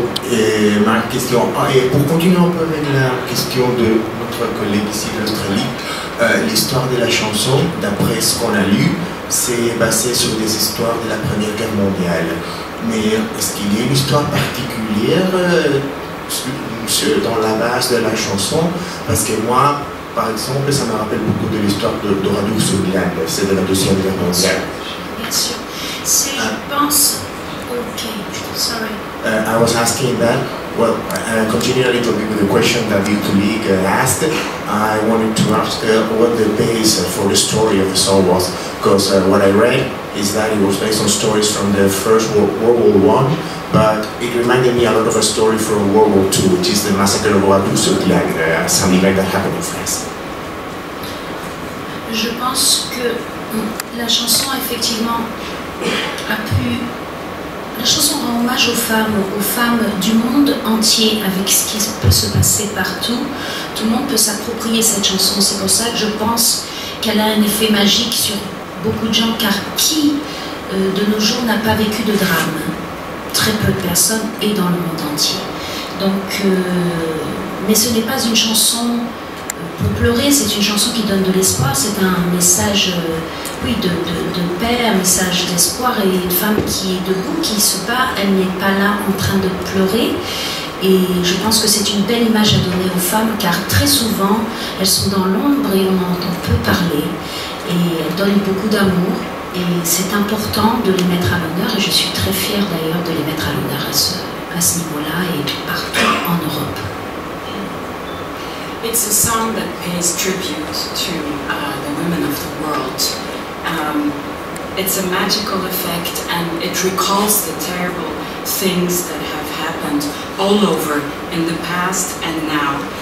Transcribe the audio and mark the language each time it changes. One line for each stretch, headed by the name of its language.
French: Et ma question, et pour continuer un peu avec la question de notre collègue ici d'Australie, l'histoire de la chanson, d'après ce qu'on a lu, c'est basé sur des histoires de la Première Guerre mondiale. Mais est-ce qu'il y a une histoire particulière dans la base de la chanson? Parce que moi, par exemple, ça me rappelle beaucoup de l'histoire de Radouf Soudan, c'est de la Deuxième Guerre mondiale. Bien sûr. Si je pense. Ok, sorry.
English: I was asking that, well, continuing a little bit with the question that your colleague asked, I wanted to ask what the base for the story of the song was, because what I read is that it was based on stories from the First World War I, but it reminded me a lot of a story from World War II, which is the massacre of Ouadouzouglag, some event that happened in France.
French: Je pense que la chanson, effectivement, a pu... La chanson rend hommage aux femmes du monde entier, avec ce qui peut se passer partout. Tout le monde peut s'approprier cette chanson. C'est pour ça que je pense qu'elle a un effet magique sur beaucoup de gens, car qui de nos jours n'a pas vécu de drame? Très peu de personnes, et dans le monde entier. Donc, mais ce n'est pas une chanson pour pleurer, c'est une chanson qui donne de l'espoir. C'est un message... Oui, de paix, un message d'espoir et une femme qui est debout, qui se bat, elle n'est pas là en train de pleurer. Et je pense que c'est une belle image à donner aux femmes car très souvent, elles sont dans l'ombre et on en entend peu parler. Et elles donnent beaucoup d'amour et c'est important de les mettre à l'honneur et je suis très fière d'ailleurs de les mettre à l'honneur à ce niveau-là et partout en Europe.
English: It's a song that pays tribute to the women of the world. It's a magical effect, and it recalls the terrible things that have happened all over in the past and now.